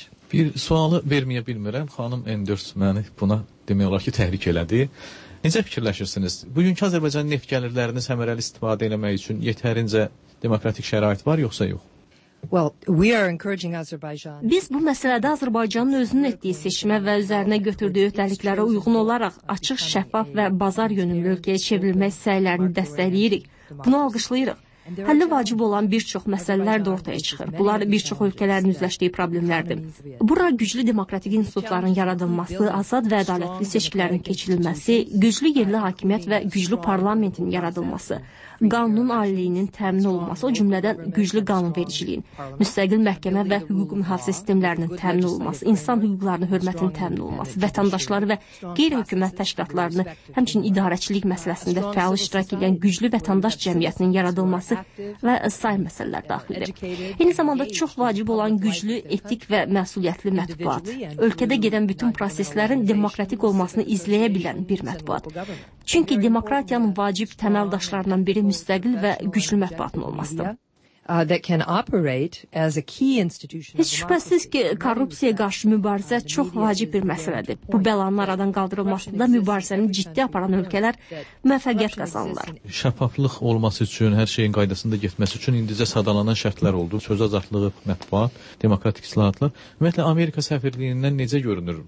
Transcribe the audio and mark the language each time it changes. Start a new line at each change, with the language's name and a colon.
Azerbaijani: Bir sualı verməyə bilmirəm. Xanım Endürs məni buna demək olar ki, təhrik elədi. Necə fikirləşirsiniz? Bugünkü Azərbaycan neft gəlirlərini səmərəli istifadə eləmək üçün yetərincə demokratik şərait var, yoxsa yox?
English: Well, we are encouraging Azerbaijan.
Azerbaijani: Biz bu məsələdə Azərbaycanın özünün etdiyi seçimə və üzərinə götürdüyü öhdəliklərə uyğun olaraq açıq, şəffaf və bazar yönümlü ölkəyə çevrilmək səylərini dəstəkləyirik. Bunu alqışlayırıq. Həlli vacib olan bir çox məsələlər də ortaya çıxır. Bunlar bir çox ölkələrin üzləşdiyi problemlərdir. Bura güclü demokratik institutların yaradılması, azad və ədalətli seçkilərin keçirilməsi, güclü yerli hakimiyyət və güclü parlamentin yaradılması, qanunun aliliyinin təmin olunması, o cümlədən güclü qanunvericiliyin, müstəqil məhkəmə və hüquq mühafizə sistemlərinin təmin olunması, insan hüquqlarının hörmətinin təmin olunması, vətəndaşları və qeyri-hökumət təşkilatlarını, həmçinin idarəçilik məsələsində fəal iştirak edən güclü vətəndaş cəmiyyətinin yaradılması və sair məsələlər daxildir. Eyni zamanda çox vacib olan güclü etik və məsuliyyətli mətbuat, ölkədə gedən bütün proseslərin demokratik olmasını izləyə bilən bir mətbuat. Çünki demokratiyanın vacib təməldaşlarından biri müstəqil və güclü mətbuatın olmasıdır.
English: That can operate as a key institution.
Azerbaijani: Heç şübhəsiz ki, korrupsiyaya qarşı mübarizə çox vacib bir məsələdir. Bu bəlanın aradan qaldırılmasında mübarizəni ciddi aparan ölkələr müvəffəqiyyət qazanırlar. Şəffaflıq olması üçün, hər şeyin qaydasında getməsi üçün indicə sadalanan şərtlər oldu. Söz azadlığı, mətbuat, demokratik islahatlar. Ümumiyyətlə, Amerika səfirliyindən necə görünür?